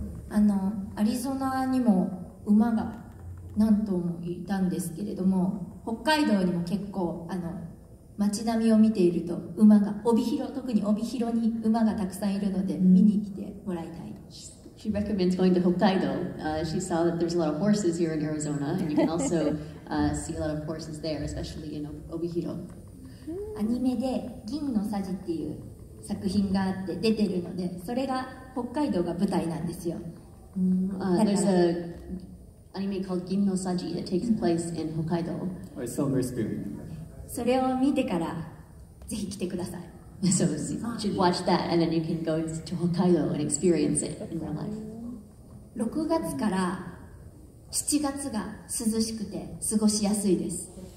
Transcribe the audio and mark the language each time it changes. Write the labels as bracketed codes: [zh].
[ja] あのアリゾナにも馬が何頭もいたんですけれども、北海道にも結構あの街並みを見ていると馬が帯広、特に帯広に馬がたくさんいるので見に来てもらいたい。 [en] She recommends going to Hokkaido. She saw that there's a lot of horses here in Arizona and you can also see a lot of horses there, especially in 帯広。 [ja] アニメで銀のサジっていう作品があって出てるので、それが北海道が舞台なんですよ。 [en] There's a anime called 銀のサジ that takes place in Hokkaido. Or Silver Spoon. [ja] それを見てからぜひ来てください。 [en] So you should watch that and then you can go to Hokkaido and experience it in real life. [ja] 6月から7月が涼しくて過ごしやすいです。